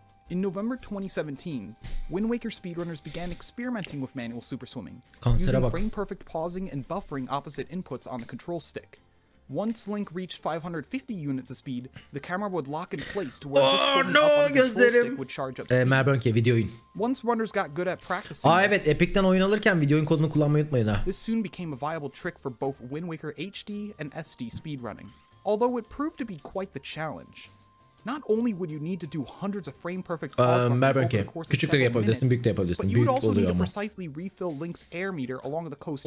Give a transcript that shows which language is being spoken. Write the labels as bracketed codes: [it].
[en] In November 2017, Wind Waker speedrunners began experimenting with manual super swimming, using frame-perfect pausing and buffering opposite inputs on the control stick. Once Link reached 550 units of speed, the camera would lock in place to where the control stick would charge up speed. [tr] Merhaba Önke, Videoyun. [en] Once runners got good at practicing [tr] evet, Epic'ten oyun alırken Videoyun kodunu kullanmayı unutmayın ha. [en] This soon became a viable trick for both Wind Waker HD and SD speedrunning, although it proved to be quite the challenge. Not only would you need to do hundreds of frame-perfect pause over the course of several minutes, but you would also need to precisely refill Link's air meter along the coast.